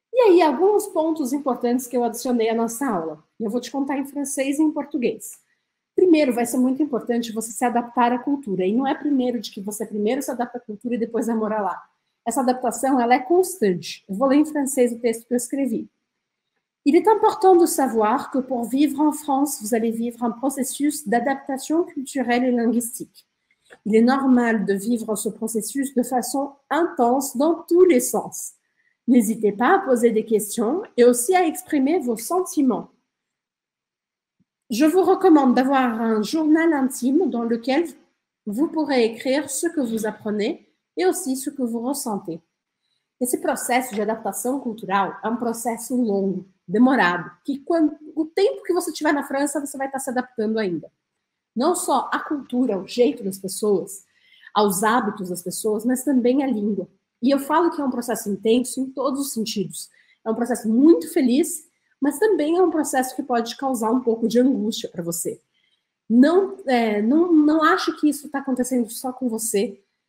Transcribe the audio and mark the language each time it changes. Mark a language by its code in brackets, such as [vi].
[pt] E aí, alguns pontos importantes que eu adicionei à nossa aula. Eu vou te contar em francês e em português. Primeiro, vai ser muito importante você se adaptar à cultura. E não é primeiro de que você primeiro se adapta à cultura e depois vai morar lá. Essa adaptação, ela é constante. Eu vou ler em francês o texto que eu escrevi. [fr] Il est important de savoir que pour vivre en France, vous allez vivre un processus d'adaptation culturelle et linguistique. Il est normal de vivre ce processus de façon intense dans tous les sens. N'hésitez pas à poser des questions et aussi à exprimer vos sentiments. Je vous recommande d'avoir un journal intime dans lequel vous pourrez écrire ce que vous apprenez et aussi ce que vous ressentez. [pt] Esse processo de adaptação cultural é um processo longo, demorado, que o tempo que você estiver na França, você vai estar se adaptando ainda. Não só à cultura, ao jeito das pessoas, aos hábitos das pessoas, mas também à língua. E eu falo que é um processo intenso em todos os sentidos. É um processo muito feliz, mas também é um processo que pode causar um pouco de angústia para você. Não, não acho que isso está acontecendo só com você.